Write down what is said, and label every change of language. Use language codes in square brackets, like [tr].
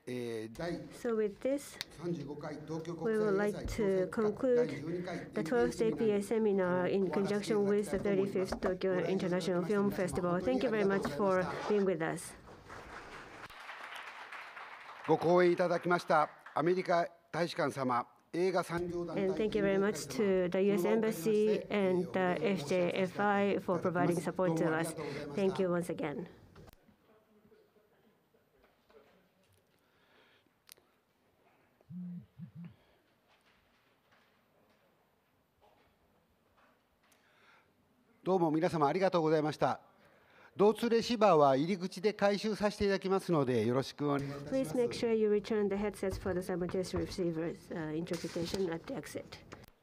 [en] So with this, we would like to conclude the 12th APA seminar in conjunction with the 35th Tokyo International Film Festival. Thank you very much for being with us. [ja] ご講演いただきましたアメリカ大使館様、映画産業団体、 [en] And thank you very much to the US Embassy and the FJFI for providing support to us. Thank you once again. [ja] どうも皆様ありがとうございました。同通レシーバーは入り口で回収させていただきますのでよろしくお願いします。 [en] Please make sure you return the headsets for the simultaneous receivers interpretation at the exit.